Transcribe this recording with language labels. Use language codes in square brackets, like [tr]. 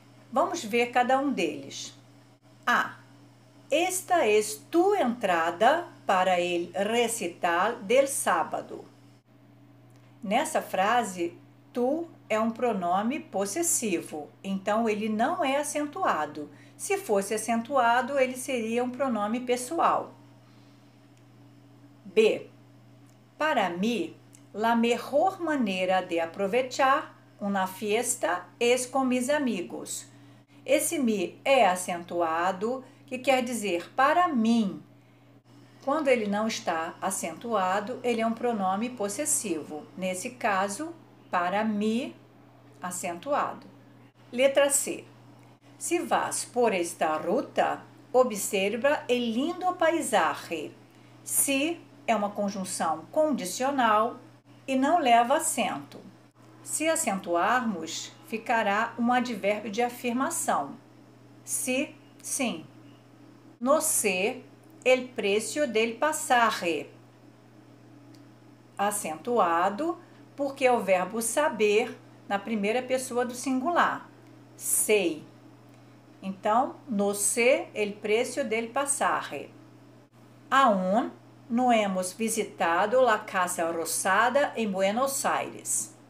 [pt] Vamos ver cada um deles. A. [es] Esta é es tu entrada para el recital del sábado. [pt] Nessa frase, tu é um pronome possessivo, então ele não é acentuado. Se fosse acentuado, ele seria um pronome pessoal. B. [es] Para mim, la mejor manera de aprovechar una fiesta es con mis amigos. [pt] Esse mi é acentuado, que quer dizer para mim. Quando ele não está acentuado, ele é um pronome possessivo. Nesse caso, [es] para mi, [pt] acentuado. Letra C. [es] Si vas por esta ruta, observa el lindo paisaje. [pt] Si é uma conjunção condicional e não leva acento. Se acentuarmos, ficará um advérbio de afirmação. Si, sim. [es] No sé el precio del pasaje. [pt] Acentuado, porque é o verbo saber na primeira pessoa do singular. Sei. Então, [es] no sé el precio del pasaje. Aún no hemos visitado la Casa Rosada en Buenos Aires.